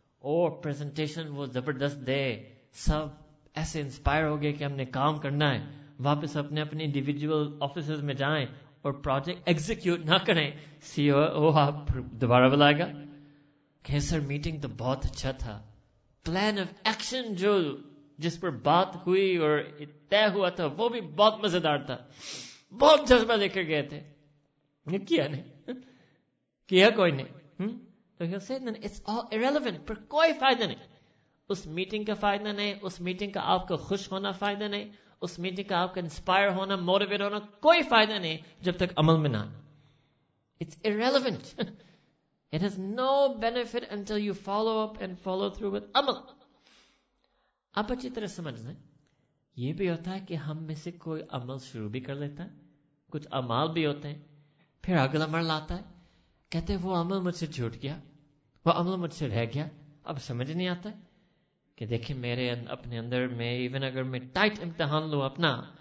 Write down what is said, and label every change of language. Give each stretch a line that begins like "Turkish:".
Urdu: اور پریزنٹیشن وہ زبردست دے, سب ایسے انسپائر ہو گئے کہ ہم نے کام کرنا ہے, واپس اپنے اپنے انڈیویجول آفیسز میں جائیں اور پروجیکٹ ایگزیکیوٹ نہ کریں, سی او او آپ دوبارہ بلائے گا کہ سر میٹنگ تو بہت اچھا تھا, پلان آف ایکشن جو جس پر بات ہوئی اور طے ہوا تھا وہ بھی بہت مزیدار تھا, بہت جذبہ لے کر گئے تھے, کیا نہیں کیا کوئی نہیں.
English: So he'll say, then it's all irrelevant. پر کوئی فائدہ نہیں, اس میٹنگ کا فائدہ نہیں, اس میٹنگ کا آپ کا خوش ہونا فائدہ نہیں, اس میٹنگ کا آپ کا انسپائر ہونا, موٹیویٹ ہونا کوئی فائدہ نہیں جب تک عمل میں نہ. It's irrelevant. It has no benefit until you follow up and follow through with عمل.
Urdu: آپ اچھی طرح سمجھ لیں, یہ بھی ہوتا ہے کہ ہم میں سے کوئی عمل شروع بھی کر لیتا ہے, کچھ اعمال بھی ہوتے ہیں, پھر اگلا مرحلہ آتا ہے, کہتے وہ عمل مجھ سے چھوٹ گیا, وہ عمل مجھ سے رہ گیا, اب سمجھ نہیں آتا کہ دیکھیں میرے اپنے اندر میں ایون اگر میں ٹائٹ امتحان لوں اپنا,